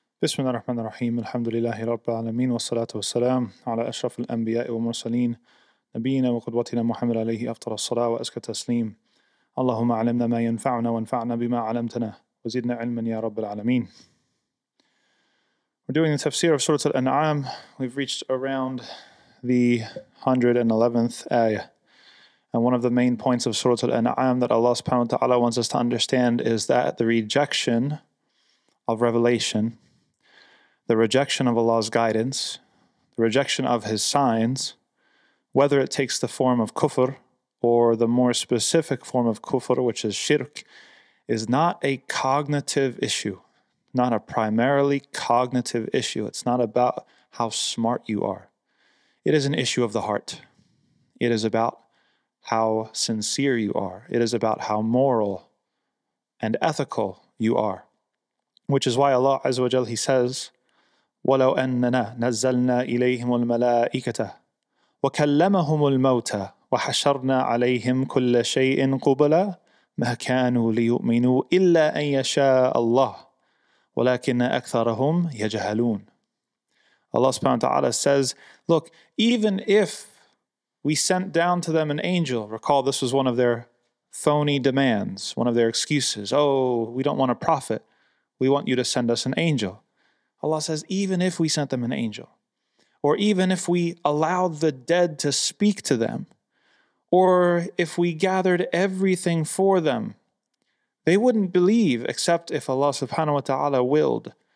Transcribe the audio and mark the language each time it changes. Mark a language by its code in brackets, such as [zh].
[ar] بسم الله الرحمن الرحيم الحمد لله رب العالمين والصلاة والسلام على أشرف الأنبياء والمرسلين نبينا وقدوتنا محمد عليه أفضل الصلاة وأزكى التسليم اللهم علمنا ما ينفعنا وانفعنا بما علمتنا وزدنا علما يا رب العالمين. [en] We're doing the tafsir of Surah Al-An'am. We've reached around the 111th ayah. And one of the main points of Surah Al-An'am that Allah subhanahu wa ta'ala wants us to understand is that the rejection of revelation, the rejection of Allah's guidance, the rejection of His signs, whether it takes the form of kufr or the more specific form of kufr, which is shirk, is not a cognitive issue, not a primarily cognitive issue. It's not about how smart you are. It is an issue of the heart. It is about how sincere you are. It is about how moral and ethical you are, which is why Allah Azza wa Jal, He says, [ar] وَلَوْ أَنَّنَا نَزَّلْنَا إِلَيْهِمُ الْمَلَائِكَةَ وَكَلَّمَهُمُ الْمَوْتَى وَحَشَرْنَا عَلَيْهِمْ كُلَّ شَيْءٍ قُبُلًا مَا كَانُوا لِيُؤْمِنُوا إِلَّا أَن يَشَاءَ اللَّهِ وَلَكِنَّ أَكْثَرَهُمْ يَجَهَلُونَ. [en] Allah subhanahu wa ta'ala says, look, even if we sent down to them an angel, recall this was one of their phony demands, one of their excuses. Oh, we don't want a prophet. We want you to send us an angel. Allah says, even if we sent them an angel, or even if we allowed the dead to speak to them, or if we gathered everything for them, they wouldn't believe except if Allah subhanahu wa ta'ala willed.